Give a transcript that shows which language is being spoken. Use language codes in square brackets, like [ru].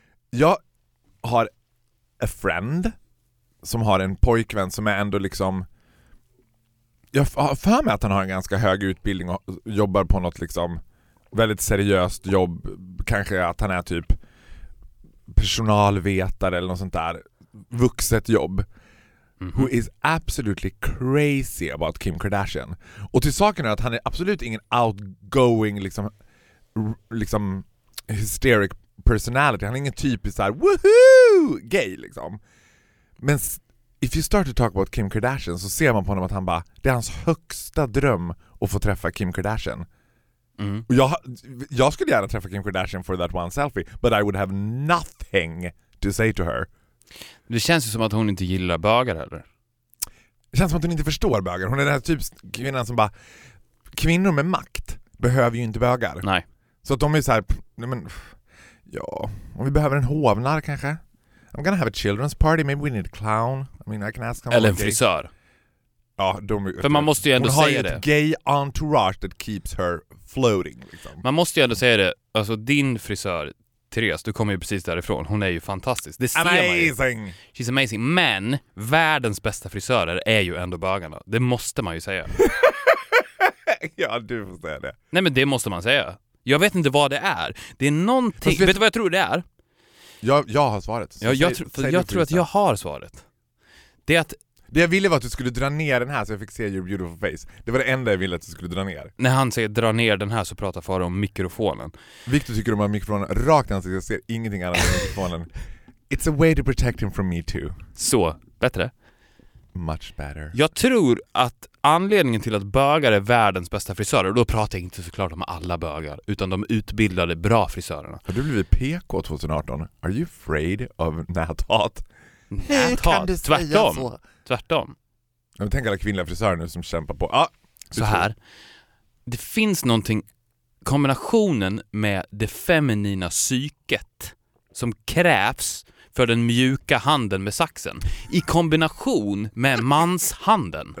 [sv] Jag har [en] a friend [sv] som har en pojkvän som är ändå liksom, jag har för mig att han har en ganska hög utbildning och jobbar på något liksom väldigt seriöst jobb, kanske att han är typ personalvetare eller något sånt där vuxet jobb. [en] Mm-hmm. Who is absolutely crazy about Kim Kardashian. [sv] Och till saken är att han är absolut ingen [en] outgoing [sv] liksom [en] hysteric personality. [sv] Han är ingen typisk så här woohoo gay liksom. Men [en] if you start to talk about Kim Kardashian [sv] så ser man på honom att han bara, det är hans högsta dröm att få träffa Kim Kardashian. Mm. Och jag skulle gärna träffa Kim Kardashian [en] for that one selfie, but I would have nothing to say to her. [sv] Det känns ju som att hon inte gillar bögar heller. Det känns som att hon inte förstår bögar. Hon är den här typ kvinnan som bara, kvinnor med makt behöver ju inte bögar. Nej. Så att de är så här, nej men, ja, om vi behöver en hovnar kanske. [en] I'm gonna have a children's party, maybe we need a clown. I mean, I can ask them. [sv] Eller en frisör. Ja, för man måste ju ändå säga det. Hon har ett gay entourage [en] that keeps her floating [sv] liksom. Man måste ju ändå säga det. Alltså din frisör Therese, du kommer ju precis därifrån. Hon är ju fantastisk. Det ser [en] amazing. [sv] Man ju. [en] She's amazing. [sv] Men världens bästa frisörer är ju ändå bögarna. Det måste man ju säga. Ja, du får säga det. Nej, men det måste man säga. Jag vet inte vad det är. Det är någonting. Vet du vad jag tror det är? Jag har svaret. Ja, jag tror att jag har svaret. Det är att det jag ville var att du skulle dra ner den här så jag fick se [en] your beautiful face. [sv] Det var det enda jag ville att du skulle dra ner. När han säger dra ner den här så pratar far om mikrofonen. Victor tycker om att mikrofonen rakt i ansiktet. Jag ser ingenting annat än mikrofonen. [en] It's a way to protect him from me too. [sv] Så, bättre. [en] Much better. [sv] Jag tror att anledningen till att bögar är världens bästa frisörer, och då pratar jag inte såklart om alla bögar, utan de utbildade bra frisörerna. Har du blivit PK 2018? [en] Are you afraid of näthat? [sv] Näthat, tvärtom. Tvärtom. Jag tänker alla kvinnliga frisörer nu som kämpar på. Ah, så här. Det finns någonting, kombinationen med det feminina psyket som krävs för den mjuka handen med saxen i kombination med manshanden.